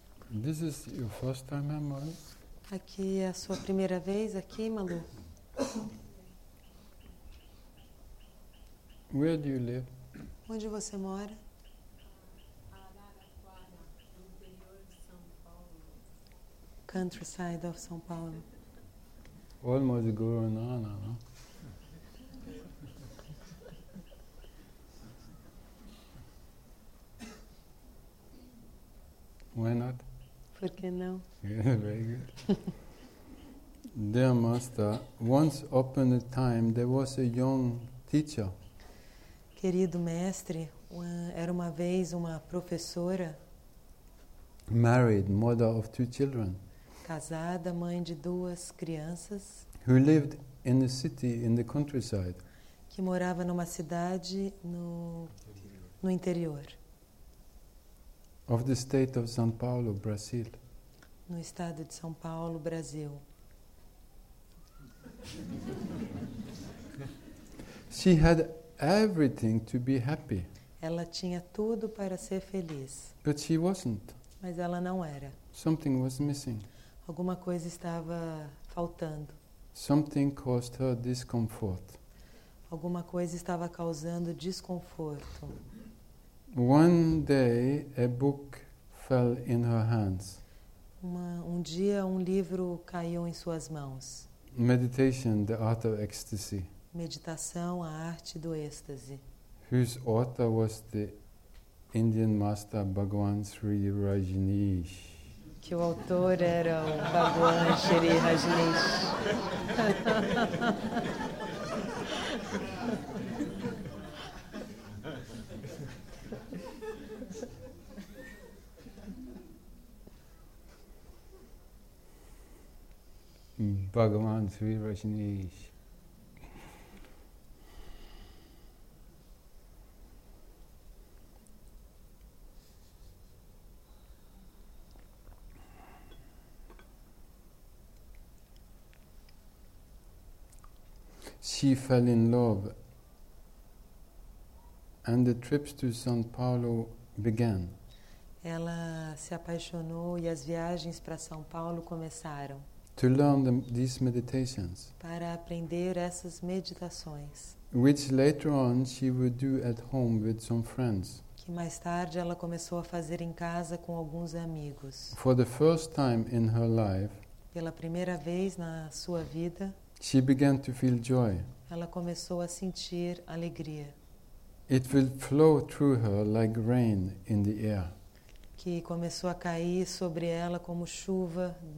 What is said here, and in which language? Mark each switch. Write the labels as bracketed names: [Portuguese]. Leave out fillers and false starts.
[English] This is your first time, huh, Malu? [Portuguese] Aqui é a sua primeira vez aqui, Malu? [English] Where do you live? [Portuguese] Onde você mora? Araraquara, no interior de São Paulo. [English] Countryside of São Paulo. Almost Guruanana, no? Why not? [Portuguese] Por que não? [English] Very good. Dear Master, once upon a time there was a young teacher. [Portuguese] Querido mestre, era uma vez uma professora. [English] Married, mother of two children. [Portuguese] Casada, mãe de duas crianças. [English] Who lived in a city in the countryside. [Portuguese] Que morava numa cidade no interior. [English] Of the state of São Paulo, Brazil. [Portuguese] No estado de São Paulo, Brasil. [English] She had everything to be happy. [Portuguese] Ela tinha tudo para ser feliz. [English] But she wasn't. [Portuguese] Mas ela não era. [English] Something was missing. [Portuguese] Alguma coisa estava faltando. [English] Something caused her discomfort. [Portuguese] Alguma coisa estava causando desconforto. [English] One day, a book fell in her hands. [Portuguese] Um dia, um livro caiu em suas mãos. [English] Meditation, the Art of Ecstasy. [Portuguese] Meditação, a arte do êxtase. [English] Whose author was the Indian master Bhagwan Sri Rajneesh. [Portuguese] Que o autor era o Bhagwan Sri Rajneesh. Bhagavan Sri Rajneesh. [English] She fell in love and the trips to São Paulo began. [Portuguese] Ela se apaixonou e as viagens para São Paulo começaram. [English] To learn these meditations. [Portuguese] Para aprender essas meditações. [English] Which later on she would do at home with some friends. [Portuguese] Que mais tarde ela começou a fazer em casa com alguns amigos. [English] For the first time in her life. [Portuguese] Pela primeira vez na sua vida. [English] She began to feel joy. [Portuguese] Ela começou a sentir alegria. [English] It will flow through her like rain in the air. [Portuguese] Que começou a cair sobre ela como chuva.